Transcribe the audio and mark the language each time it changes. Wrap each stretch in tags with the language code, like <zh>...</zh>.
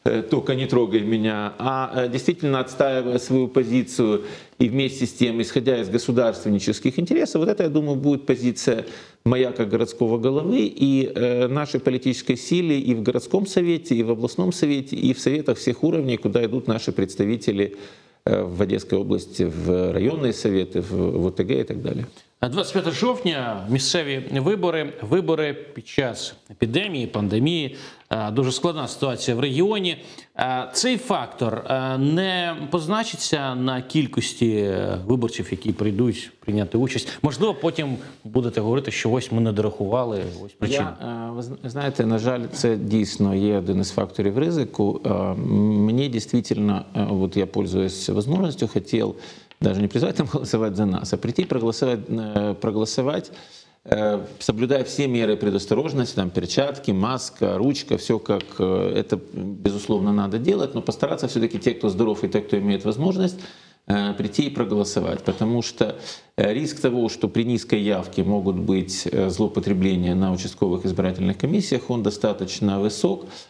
<ru>только не трогай меня, а действительно отстаивая свою позицию и вместе с тем, исходя из государственнических интересов, вот это, я думаю, будет позиция моя как городского головы и нашей политической силы и в городском совете, и в областном совете, и в советах всех уровней, куда идут наши представители в Одесской области, в районные советы, в ОТГ и так далее.</ru> <uk>25 жовтня місцеві вибори, вибори під час епідемії, пандемії, дуже складна ситуація в регіоні. Цей фактор не позначиться на кількості виборців, які прийдуть прийняти участь? Можливо, потім будете говорити, що ось ми не дорахували, ось причина. Ви знаєте, на жаль, це дійсно є один із факторів ризику. Мені дійсно, от я користуюсь можливістю, хотів</uk> <ru>даже не призывать там голосовать за нас, а прийти проголосовать, соблюдая все меры предосторожности, там перчатки, маска, ручка, все как это, безусловно, надо делать, но постараться все-таки те, кто здоров и те, кто имеет возможность, прийти и проголосовать, потому что риск того, что при низкой явке могут быть злоупотребления на участковых избирательных комиссиях, он достаточно высок.</ru>